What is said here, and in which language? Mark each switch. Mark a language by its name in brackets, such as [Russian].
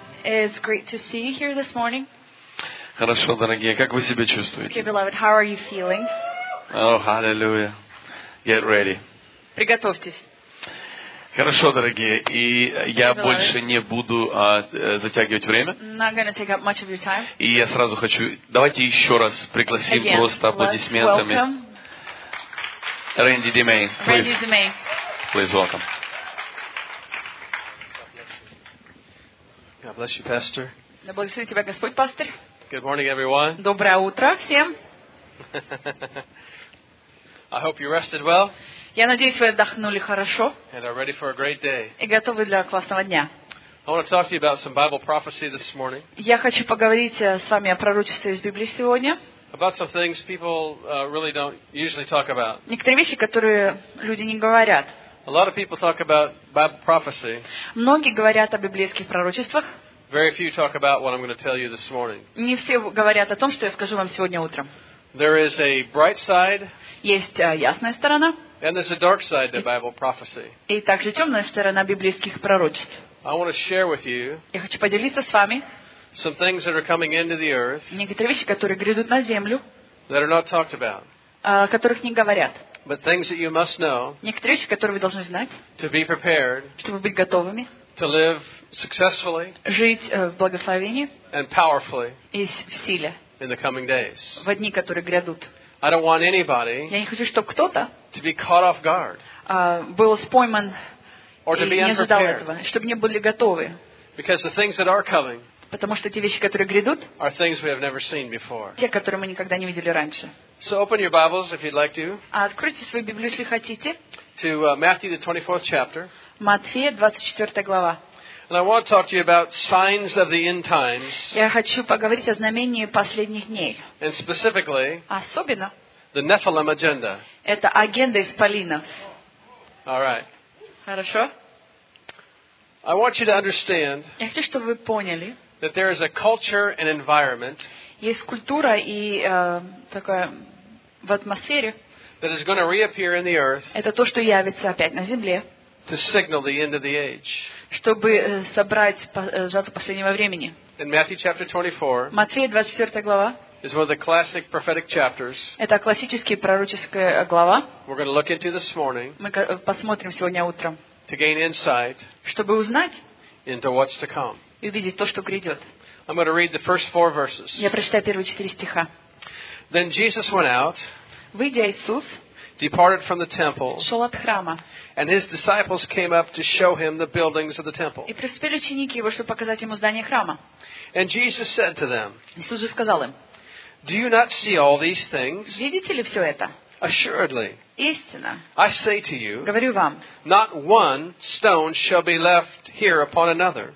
[English] It's great to see you here this morning. [Russian] Хорошо, дорогие, как вы себя чувствуете? [English] Okay, beloved, how are you feeling? Oh, hallelujah. Get ready. [Russian] Приготовьтесь. Хорошо, дорогие, и я больше не буду затягивать время. [English] I'm not going to take up much of your time. [Russian] И я сразу хочу... Давайте еще раз пригласим просто аплодисментами. [English] Again, Рэнди Демей, please. [Russian] Рэнди Демей. [English] Please welcome. God bless you, Pastor. [Russian] Да благослови тебя Господь, пастор. [English] Good morning, everyone. [Russian] Доброе утро всем. [English] I hope you rested well. [Russian] Я надеюсь, вы отдохнули хорошо. [English] And are ready for a great day. [Russian] И готовы для классного дня. [English] I want to talk to you about some Bible prophecy this morning. [Russian] Я хочу поговорить с вами о пророчестве из Библии сегодня. [English] About some things people really don't usually talk about. [Russian] Некоторые вещи, которые люди не говорят. [English] A lot of people talk about Bible prophecy. [Russian] Многие говорят о библейских пророчествах. [English] Very few talk about what I'm going to tell you this morning. [Russian] Не все говорят о том, что я скажу вам сегодня утром. [English] There is a bright side. [Russian] Есть ясная сторона. [English] And there's a dark side to Bible prophecy. [Russian] И также темная сторона библейских пророчеств. [English] I want to share with you. [Russian] Я хочу поделиться с вами. [English] Some things that are coming into the earth. [Russian] Некоторые вещи, которые грядут на землю. [English] That are not talked about. [Russian] О которых не говорят. [English] But things that you must know. [Russian] Некоторые вещи, которые вы должны знать. [English] To be prepared. [Russian] Чтобы быть готовыми. [English] To live successfully. [Russian] Жить в благословении. [English] And powerfully. [Russian] И в силе. [English] In the coming days. [Russian] В дни, которые грядут. [English] I don't want anybody. [Russian] Я не хочу, чтобы кто-то. [English] To be caught off guard. [Russian] Был спойман. [English] Or to be unprepared. [Russian] И не ожидал этого, чтобы не были готовы. [English] Because the things that are coming. [Russian] Потому что те вещи, которые грядут, [English] are things we have never seen before. [Russian] Те, которые мы никогда не видели раньше. [English] So open your Bibles if you'd like to. [Russian] Откройте свою Библию, если хотите. [English] To Matthew, the 24th chapter. [Russian] Матфея, 24 глава. [English] And I want to talk to you about signs of the end times. [Russian] Я хочу поговорить о знамении последних дней. [English] And specifically, [Russian] особенно, [English] the Nephilim agenda. [Russian] Это агенда исполинов. [English] All right. [Russian] Хорошо. [English] I want you to understand. [Russian] Я хочу, чтобы вы поняли. [English] That there is a culture and environment. [Russian] Есть культура и такая в атмосфере. [English] That is going to reappear in the earth. [Russian] Это то, что явится опять на земле. [English] To signal the end of the age. [Russian] Чтобы собрать жатву последнего времени. [English] In Matthew chapter 24. [Russian] Матфея 24 глава. [English] Is one of the classic prophetic chapters. [Russian] Это классическая пророческая глава. [English] We're going to look into this morning. [Russian] Мы посмотрим сегодня утром. [English] To gain insight. [Russian] Чтобы узнать. [English] Into what's to come. [Russian] И увидеть то, что грядет. [English] I'm going to read the first four verses. [Russian] Я прочитаю первые четыре стиха. [English] Then Jesus went out. [Russian] Выйдя Иисус. [English] Departed from the temple. [Russian] Шел от храма. [English] And his disciples came up to show him the buildings of the temple. [Russian] И приступили ученики его, чтобы показать ему здание храма. [English] And Jesus said to them. [Russian] Иисус же сказал им. [English] Do you not see all these things? [Russian] Видите ли все это? [English] Assuredly. [Russian] Истинно. [English] I say to you. [Russian] Говорю вам. [English] Not one stone shall be left here upon another.